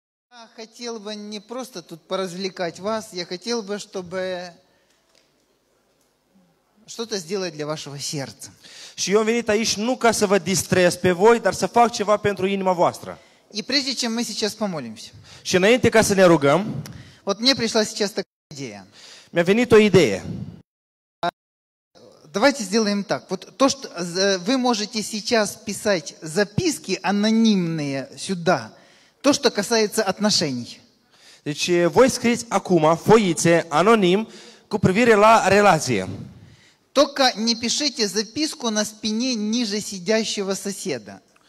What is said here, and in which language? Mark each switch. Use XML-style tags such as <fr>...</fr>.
<ru>Я хотел бы не просто тут поразвлекать вас, я хотел бы, чтобы что-то сделать для вашего сердца.</ru> <ro>Și eu am venit aici nu ca să vă distrez pe voi, dar să fac ceva pentru inima voastră.</ro> <ru>И прежде чем мы сейчас помолимся.</ru> <ro>Și înainte ca să ne rugăm.</ro> <ru>Вот мне пришла сейчас такая идея.</ru> <ro>Mi-a venit o idee.</ro> <ru>Давайте сделаем так. Вот то, что вы можете сейчас писать записки анонимные сюда. То, что касается отношений.</ru> <ro>Deci, voi scrieți acum foițe anonim cu privire la relație.</ro> <ru>Только не пишите записку на спине ниже сидящего соседа.</ru>